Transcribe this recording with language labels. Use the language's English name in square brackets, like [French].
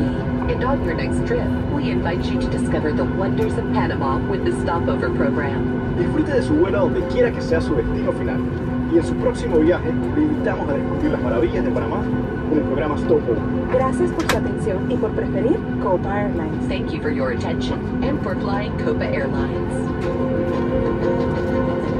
[English] And on your next trip, we invite you to discover the wonders of Panama with the stopover program. [Spanish] Disfrute de su vuelo donde quiera que sea su destino final. Y en su próximo viaje, le invitamos a descubrir las maravillas de Panamá con el programa stopover. Gracias por su atención y por preferir Copa Airlines. [English] Thank you for your attention and for flying Copa Airlines.